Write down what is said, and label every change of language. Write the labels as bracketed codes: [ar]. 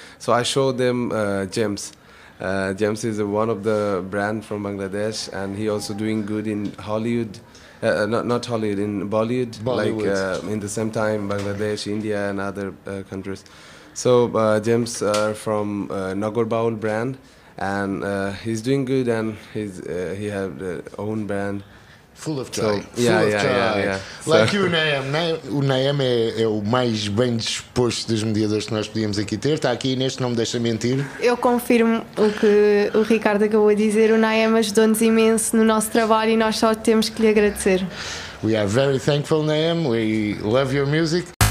[en] So I showed them Gems. Gems is one of the brand from Bangladesh, and he also doing good in Hollywood, in Bollywood. Like in the same time, Bangladesh, India and other countries. So Gems are from Nagorbaul brand. And he's doing good, and he has his own band. Full of joy. Like o Nayem. [pt] O Nayem é o mais bem disposto dos mediadores que nós podíamos aqui ter. Está aqui neste, não me deixa mentir. Eu confirmo o que o Ricardo acabou de dizer. O Nayem ajudou-nos imenso no nosso trabalho e nós só temos que lhe agradecer. [en] We are very thankful, Nayem. We love your music.